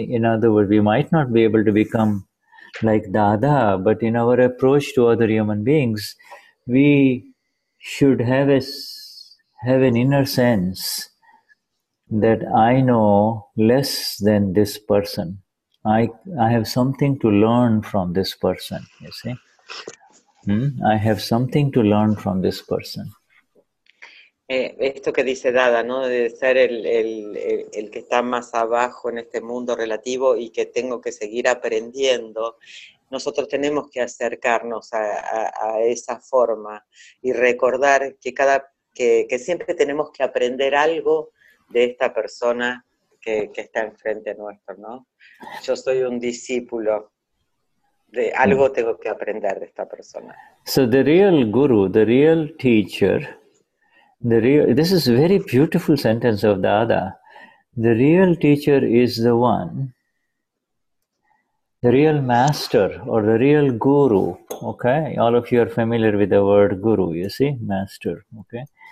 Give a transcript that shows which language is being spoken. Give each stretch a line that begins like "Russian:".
English: In other words, we might not be able to become like Dada, but in our approach to other human beings, we should have an inner sense that I know less than this person. I have something to learn from this person, you see. I have something to learn from this person.
Spanish: Esto que dice Dada, ¿no? De ser el que está más abajo en este mundo relativo y que tengo que seguir aprendiendo. Nosotros tenemos que acercarnos a esa forma y recordar que siempre tenemos que aprender algo de esta persona que está enfrente nuestro, ¿no? Yo soy un discípulo de algo tengo que aprender de esta persona.
English: So the real guru, the real teacher, The real, this is a very beautiful sentence of Dada. The real teacher is the one. The real master or the real guru, okay? All of you are familiar with the word guru, you see? Master, okay?